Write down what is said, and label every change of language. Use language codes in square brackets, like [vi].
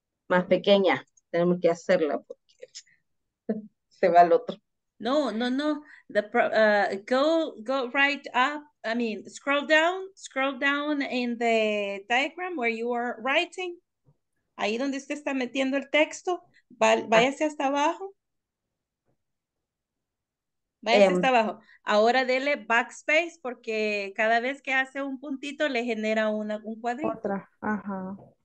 [es] Más pequeña, tenemos que hacerla porque se va al otro. [en] No, no, no. The go right up. I mean, scroll down in the diagram where you are writing. [es] Ahí donde usted está metiendo el texto, váyase hasta abajo. Váyase hasta abajo. Ahora dele backspace porque cada vez que hace un puntito le genera un cuadrito. Otra, ajá.